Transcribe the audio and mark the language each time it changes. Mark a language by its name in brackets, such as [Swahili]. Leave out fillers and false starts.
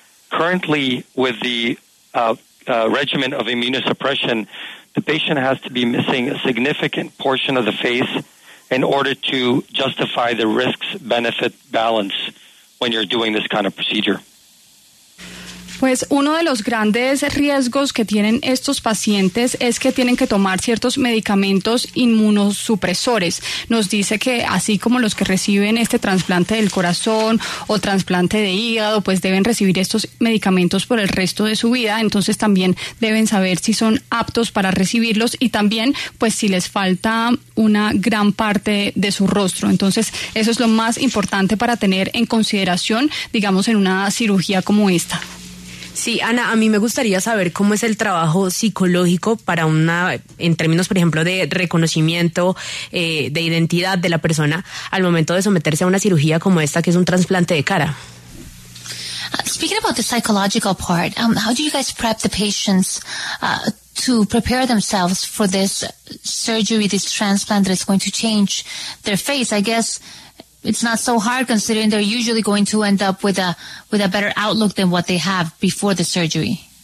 [English] Currently, with the regimen of immunosuppression, the patient has to be missing a significant portion of the face in order to justify the risks-benefit balance when you're doing this kind of procedure. [Spanish] Pues uno de los grandes riesgos que tienen estos pacientes es que tienen que tomar ciertos medicamentos inmunosupresores. Nos dice que así como los que reciben este trasplante del corazón o trasplante de hígado, pues deben recibir estos medicamentos por el resto de su vida, entonces también deben saber si son aptos para recibirlos y también pues si les falta una gran parte de su rostro. Entonces eso es lo más importante para tener en consideración, digamos, en una cirugía como esta. Sí, Ana, a mí me gustaría saber cómo es el trabajo psicológico para una, en términos, por ejemplo, de reconocimiento de identidad de la persona al momento de someterse a una cirugía como esta, que es un trasplante de cara. [English] Speaking about the psychological part, how do you guys prep the patients to prepare themselves for this surgery, this transplant that is going to change their face? I guess it's not so hard considering they're usually going to end up with a better outlook than what they have before the surgery.